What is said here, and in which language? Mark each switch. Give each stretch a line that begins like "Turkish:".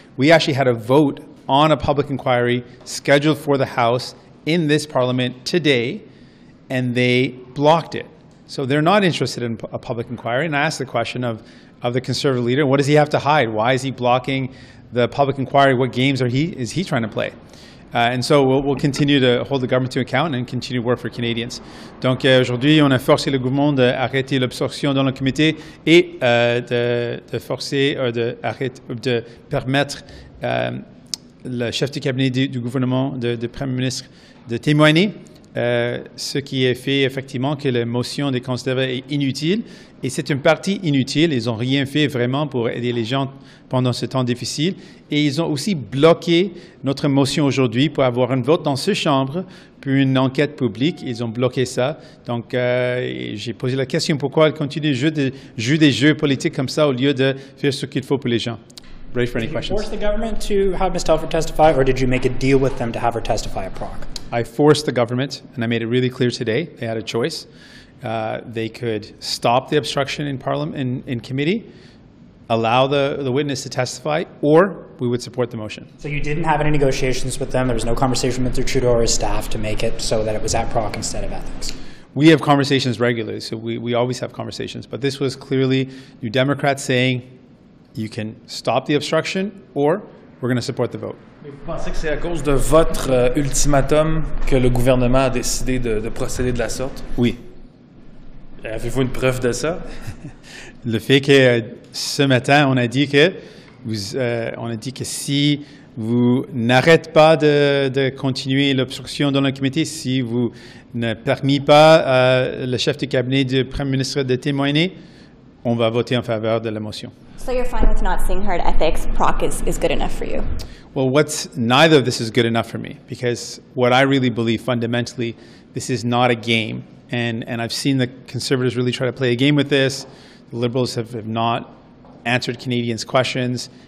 English: We actually had a vote on a public inquiry scheduled for the House in this Parliament today, and they blocked it. So they're not interested in a public inquiry, and I asked the question of the Conservative leader, what does he have to hide? Why is he blocking the public inquiry? What games is he trying to play? And so we'll continue to hold the government to account and continue to work for Canadians.
French: Donc aujourd'hui, on a forcé le gouvernement d'arrêter l'obstruction dans le comité et de permettre le chef du cabinet du gouvernement, du premier ministre, de témoigner. Ce qui est fait effectivement que la motion des conservateurs est inutile et c'est une partie inutile. Ils n'ont rien fait vraiment pour aider les gens pendant ce temps difficile et ils ont aussi bloqué notre motion aujourd'hui pour avoir un vote dans ce chambre pour une enquête publique. Ils ont bloqué ça. Donc j'ai posé la question pourquoi ils continuent de jouer des jeux politiques comme ça au lieu de faire ce qu'il faut pour les gens.
English: Ready for any questions? Did you force the government to have Ms. Telford testify, or did you make a deal with them to have her testify at PROC? I forced the government, and I made it really clear today, they had a choice. They could stop the obstruction in Parliament, in committee, allow the witness to testify, or we would support the motion. So you didn't have any negotiations with them? There was no conversation with Mr. Trudeau or his staff to make it so that it was at PROC instead of ethics? We have conversations regularly, so we always have conversations. But this was clearly New Democrats saying, you can stop the obstruction, or we're going to support the vote.
French: Vous pensez que c'est à cause de votre ultimatum que le gouvernement a décidé de procéder de la sorte? Oui. Avez-vous une preuve de ça? Le fait que ce matin, on a dit que si vous n'arrêtez pas de continuer l'obstruction dans le comité, si vous ne permettez pas le chef du cabinet du premier ministre de témoigner, on va voter en faveur de la motion.
English: So you're fine with not seeing her at ethics, PROC is good enough for you? Well, what's neither of this is good enough for me, because what I really believe fundamentally, this is not a game. And I've seen the Conservatives really try to play a game with this. The Liberals have not answered Canadians' questions.